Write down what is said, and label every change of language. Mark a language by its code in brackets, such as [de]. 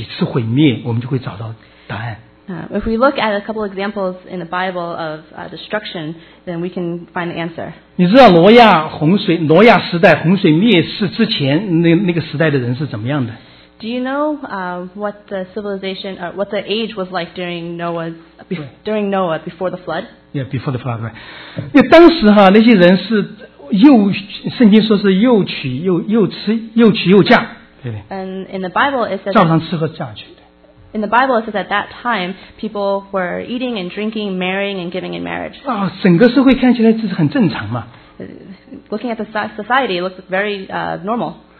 [zh] 如果我们从圣经里边从历史人类历史上看的那几次毁灭，我们就会找到答案。 [en] If we look at a couple examples in the Bible of destruction, then we can find the answer. [zh] 你知道挪亚洪水、挪亚时代洪水灭世之前那个时代的人是怎么样的？ [en] Do you know what the civilization or what the age was like during Noah before the flood? Yeah, before the flood, right? [zh] 因为当时哈那些人是又圣经说是又娶又吃又娶又嫁， 对不对？ [en] And in the Bible it says [zh] 照常吃喝嫁娶。 [en] In the Bible, it says at that time, people were eating and drinking, marrying and giving in marriage. [zh] 整个社会看起来这是很正常嘛。 [en] Looking at the society, it looks very normal.